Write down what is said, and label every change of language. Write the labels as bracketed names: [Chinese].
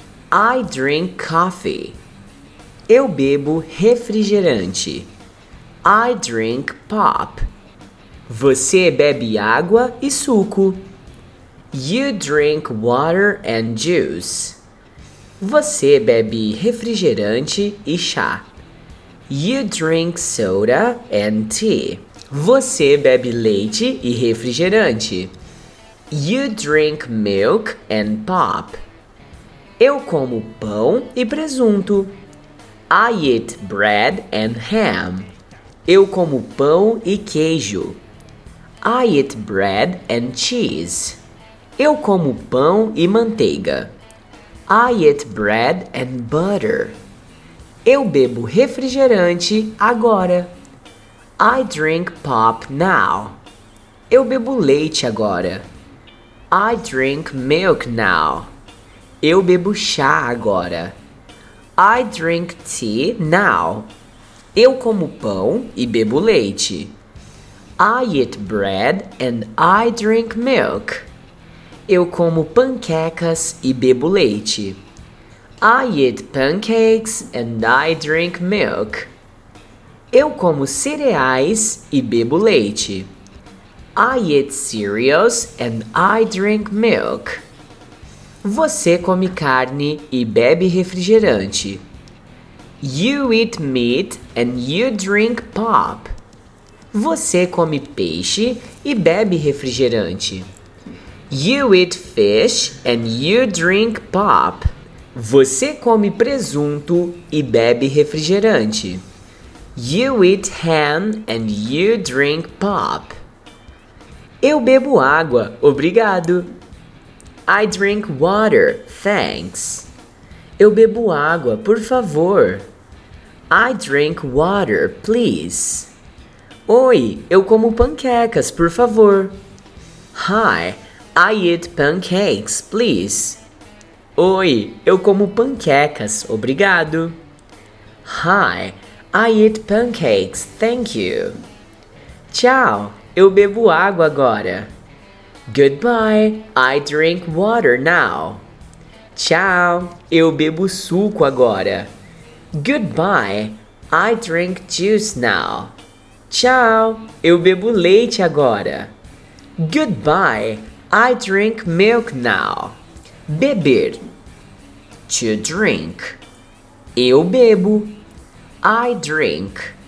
[English] I drink coffee. [Portuguese] Eu bebo refrigerante. [English] I drink pop. [Portuguese] Você bebe água e suco. [English] You drink water and juice. [Portuguese] Você bebe refrigerante e chá. [English] You drink soda and tea. [Portuguese] Você bebe leite e refrigerante. [English] You drink milk and pop. [Portuguese] Eu como pão e presunto. [English] I eat bread and ham. [Portuguese] Eu como pão e queijo. [English] I eat bread and cheese. [Portuguese] Eu como pão e manteiga. [English] I eat bread and butter. [Portuguese] Eu bebo refrigerante agora. [English] I drink pop now. [Portuguese] Eu bebo leite agora. [English] I drink milk now. [Portuguese] Eu bebo chá agora. [English] I drink tea now. [Portuguese] Eu como pão e bebo leite. [English] I eat bread and I drink milk. [Portuguese] Eu como panquecas e bebo leite. [English] I eat pancakes and I drink milk. [Portuguese] Eu como cereais e bebo leite. [English] I eat cereals and I drink milk. [Portuguese] Você come carne e bebe refrigerante. [English] You eat meat and you drink pop. [Portuguese] Você come peixe e bebe refrigerante. [English] You eat fish and you drink pop. [Portuguese] Você come presunto e bebe refrigerante. [English] You eat ham and you drink pop. [Portuguese] Eu bebo água, obrigado. [English] I drink water, thanks. [Portuguese] Eu bebo água, por favor. [English] I drink water, please. [Portuguese] Oi, eu como panquecas, por favor. [English] Hi, I eat pancakes, please. [Portuguese] Oi, eu como panquecas, obrigado. [English] Hi, I eat pancakes, thank you. [Portuguese] Tchau, eu bebo água agora. [English] Goodbye, I drink water now. [Portuguese] Tchau, eu bebo suco agora. [English] Goodbye, I drink juice now. [Portuguese] Tchau, eu bebo leite agora. [English] Goodbye, I drink milk now. [Portuguese] Beber. [English] To drink. [Portuguese] Eu bebo. [English] I drink.